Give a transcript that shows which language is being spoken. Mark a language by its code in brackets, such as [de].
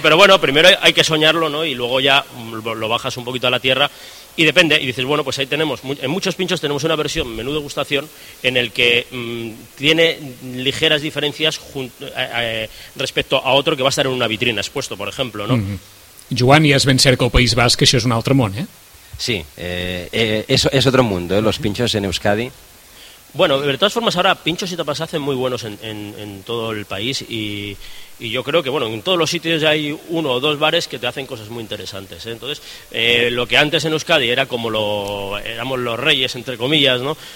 [es] Pero bueno, primero hay que soñarlo, ¿no? Y luego ya lo bajas un poquito a la tierra y depende. Y dices, bueno, pues ahí tenemos, en muchos pinchos tenemos una versión menú degustación en el que tiene ligeras diferencias respecto a otro que va a estar en una vitrina expuesto, por ejemplo. ¿No? Mm. [ca] Joan, ja es ben cert que el País Basc, això és un altre món, eh? [es] Sí, és otro mundo, los pinchos en Euskadi. Bueno, de todas formas, ahora pinchos y tapas hacen muy buenos en todo el país y yo creo que, bueno, en todos los sitios ya hay uno o dos bares que te hacen cosas muy interesantes, ¿eh? Entonces, lo que antes en Euskadi era como éramos los reyes, entre comillas, ¿no?